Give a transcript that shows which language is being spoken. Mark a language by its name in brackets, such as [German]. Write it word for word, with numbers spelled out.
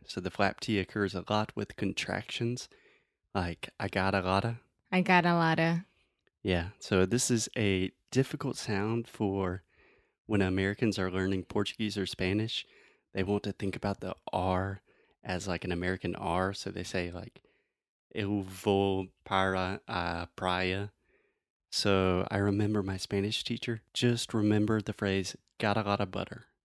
[English] So the flap T occurs a lot with contractions, like I got a lotta. I got a lotta. Yeah. So this is a difficult sound for when Americans are learning Portuguese or Spanish. They want to think about the R as like an American R. So they say like, [Portuguese] eu vou para a praia. [English] So I remember my Spanish teacher just remembered the phrase, got a lot of butter.